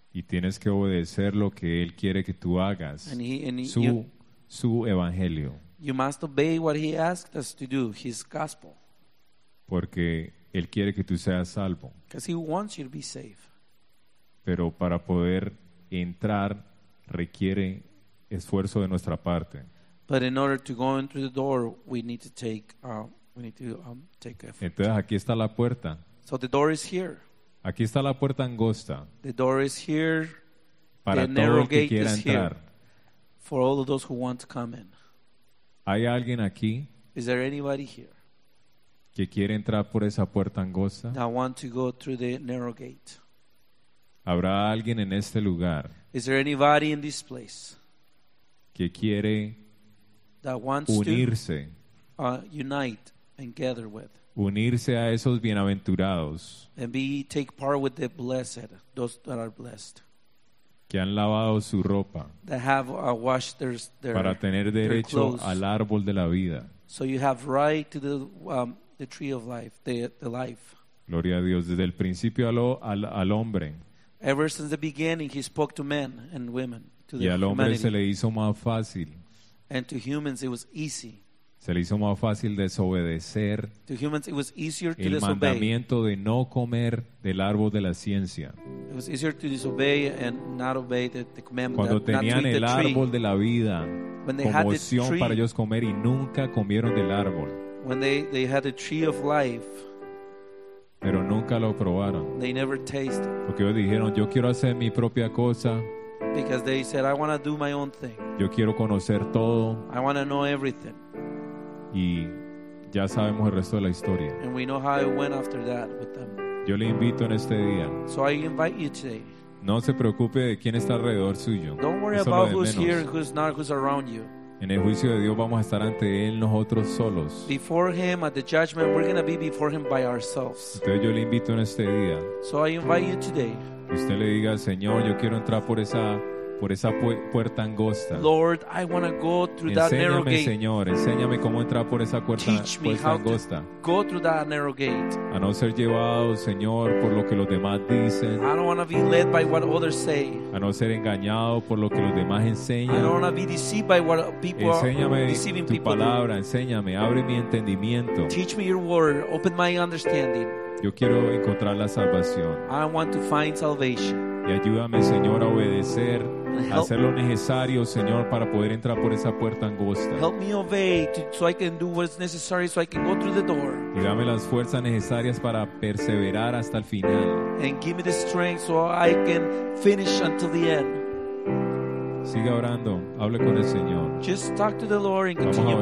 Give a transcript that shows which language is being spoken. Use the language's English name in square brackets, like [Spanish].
[Spanish] Y tienes que obedecer lo que él quiere que tú hagas. Su evangelio. [English] You must obey what he asked us to do, his gospel. [Spanish] Porque él quiere que tú seas salvo. [English] Because he wants you to be saved. [Spanish] Pero para poder entrar requiere esfuerzo de nuestra parte. [English] But in order to go in through the door, we need to take effort. [Spanish] Entonces aquí está la puerta. [English] So the door is here. [Spanish] Aquí está la puerta angosta. [English] The door is here. [Spanish] Para [English] the narrow [Spanish] todo el que quiera [English] gate [Spanish] entrar. [English] Is here. For all of those who want to come in. [Spanish] ¿Hay alguien aquí? [English] Is there anybody here? [Spanish] Que quiere entrar por esa puerta angosta. [English] That want to go through the narrow gate. [Spanish] ¿Habrá alguien en este lugar? [English] Is there anybody in this place? [Spanish] Que quiere [English] that wants [Spanish] unirse. [English] To, unite and gather with. [Spanish] Unirse a esos bienaventurados. [English] And be take part with the blessed, those that are blessed. [Spanish] Que han lavado su ropa. [English] That have washed their [Spanish] para tener derecho al árbol de la vida. [English] So you have right to the tree of life, the life. [Spanish] Gloria a Dios. Desde el principio al hombre. [English] Ever since the beginning, he spoke to men and women, to the [Spanish] y al hombre [English] humanity. [Spanish] Se le hizo más fácil. [English] And to humans, it was easy. [Spanish] Se le hizo más fácil desobedecer. [English] To humans, it was easier to [Spanish] el [English] disobey. [Spanish] Mandamiento de no comer del árbol de la ciencia. [English] It was easier to disobey and not obey the commandment. [Spanish] Cuando [English] that, [Spanish] tenían [English] not [Spanish] el [English] the [Spanish] árbol [English] tree, [Spanish] de la vida como opción para ellos comer y nunca comieron del árbol. [English] When they had the tree of life. [Spanish] Pero nunca lo probaron. [English] They never tasted. [Spanish] Porque ellos dijeron, yo quiero hacer mi propia cosa. [English] Because they said, I want to do my own thing. [Spanish] Yo quiero conocer todo. [English] I want to know everything. [Spanish] Y ya sabemos el resto de la historia. [English] And we know how it went after that with them. [Spanish] Yo le invito en este día. [English] So I invite you today. [Spanish] No se preocupe de quién está alrededor suyo. [English] Don't worry about who's here, who's not, who's around you. [Spanish] En el juicio de Dios vamos a estar ante Él nosotros solos. [English] Before Him, at the judgment, we're going to be before Him by ourselves. [Spanish] Entonces yo le invito en este día. [English] So I invite you today. [Spanish] Usted le diga, Señor, yo quiero entrar por esa puerta angosta. [English] Lord, I want to go through [Spanish] enséñame, [English] that narrow gate. [Spanish] Señor, enséñame cómo entrar por esa puerta angosta. [English] Teach me how to go through that narrow gate. [Spanish] A no ser llevado, Señor, por lo que los demás dicen. [English] I don't want to be led by what others say. [Spanish] A no ser engañado por lo que los demás enseñan. [English] I don't want to be deceived by what people [Spanish] enséñame [English] are deceiving [Spanish] tu [English] people. [Spanish] Palabra, enséñame, abre mi entendimiento. [English] Teach me your word, open my understanding. [Spanish] Yo quiero encontrar la salvación. [English] I want to find salvation. [Spanish] Y ayúdame, Señor, a obedecer, a hacer lo necesario, Señor, para poder entrar por esa puerta angosta. [English] Help me obey so I can do what's necessary so I can go through the door. [Spanish] Y dame las fuerzas necesarias para perseverar hasta el final. [English] And give me the strength so I can finish until the end. [Spanish] Siga orando, hable con el Señor. [English] Just talk to the Lord and continue praying.